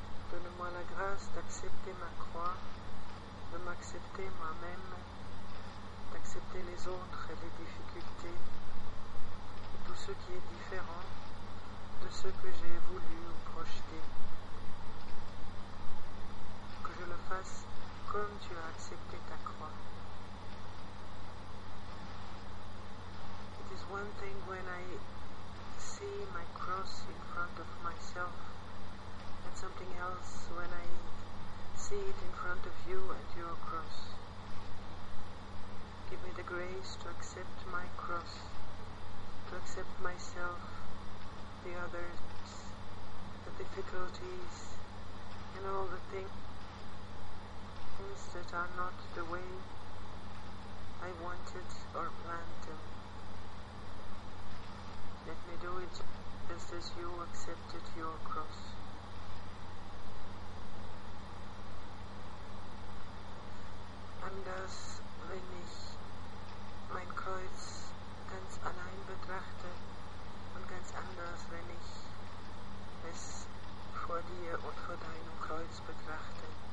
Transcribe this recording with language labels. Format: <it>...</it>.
<fr>Donne-moi la grâce d'accepter ma croix, de m'accepter moi-même, d'accepter les autres et les difficultés, et tout ce qui est différent de ce que j'ai voulu ou projeté. Que je le fasse comme tu as accepté ta croix.</fr> <en>It is one thing when I see my cross in front of myself, and something else when I see it in front of you and your cross. Give me the grace to accept my cross, to accept myself, the others, the difficulties, and all the things that are not the way I wanted or planned them. Let me do it just as you accepted your cross.</en> <de>Anders, wenn ich mein Kreuz ganz allein betrachte und ganz anders, wenn ich es vor dir und vor deinem Kreuz betrachte.</de>